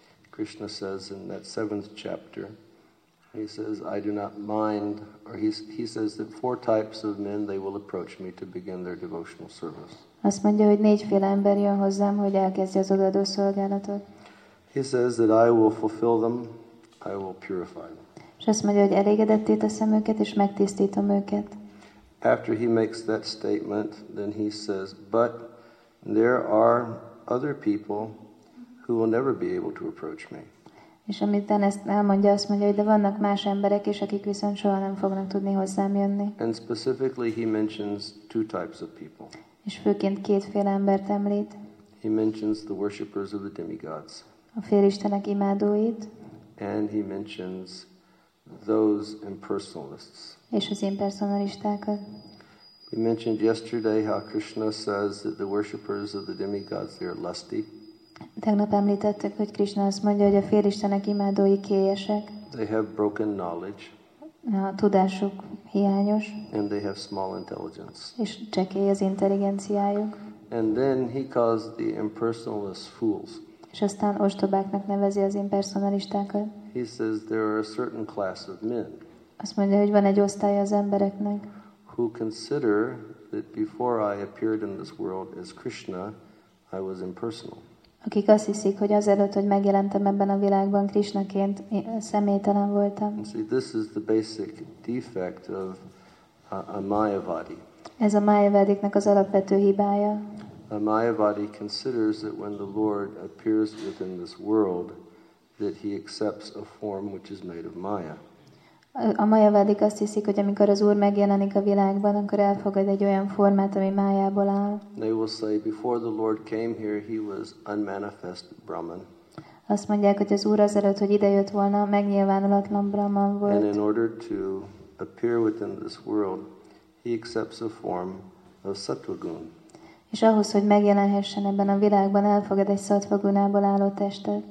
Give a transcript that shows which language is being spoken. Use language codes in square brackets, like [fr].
[en] Krishna says in that seventh chapter, he says, I do not mind, or he says that four types of men, they will approach me to begin their devotional service. [hu] Azt mondja, hogy négyféle ember jön hozzám, hogy elkezdje az odaadó szolgálatot. [en] He says that I will fulfill them, I will purify them. [hu] És azt mondja, hogy elégedetté teszem őket, és megtisztítom őket. [en] After he makes that statement, then he says, but there are other people who will never be able to approach me. [hu] És amitán ezt elmondja, azt mondja, hogy de vannak más emberek is, akik viszont soha nem fognak tudni hozzám jönni. [en] And specifically he mentions two types of people. [hu] És főként kétféle embert említ. [en] He mentions the worshippers of the demigods. [hu] A félistenek imádóit. [en] And he mentions those impersonalists. [hu] És az impersonalistákat. [en] We mentioned yesterday how Krishna says that the worshippers of the demigods, they are lusty. [hu] Tegnap említettük, hogy Krishna azt mondja, hogy a félistenek imádói kéjesek. [en] They have broken knowledge. [hu] A tudásuk hiányos. [en] And they have small intelligence. [hu] És csekély az intelligenciájuk. [en] And then he calls the impersonalists fools. [hu] És aztán ostobáknak nevezi az impersonalistákat. [en] He says there are a certain class of men. [hu] Azt mondja, hogy van egy osztály az embereknek. [en] Who consider that before I appeared in this world as Krishna, I was impersonal. [hu] Akik azt hiszik, hogy azelőtt, hogy megjelentem ebben a világban Krishnaként, személytelen voltam. [en] See, this is the basic defect of a Mayavadi. [hu] Ez a Mayavadiknak az alapvető hibája. [en] A Mayavadi considers that when the Lord appears within this world, that he accepts a form which is made of Maya. [hu] A Mayavadik azt hiszik, hogy amikor az Úr megjelenik a világban, akkor elfogad egy olyan formát, ami Mayából áll. [en] They will say, before the Lord came here, he was unmanifest Brahman. [hu] Azt mondják, hogy az Úr azelőtt, hogy idejött volna, megnyilvánulatlan Brahman volt. [en] And in order to appear within this world, he accepts a form of Sattvagun. [hu] És ahhoz, hogy megjelenhessen ebben a világban, elfogad egy szatvagunából álló testet.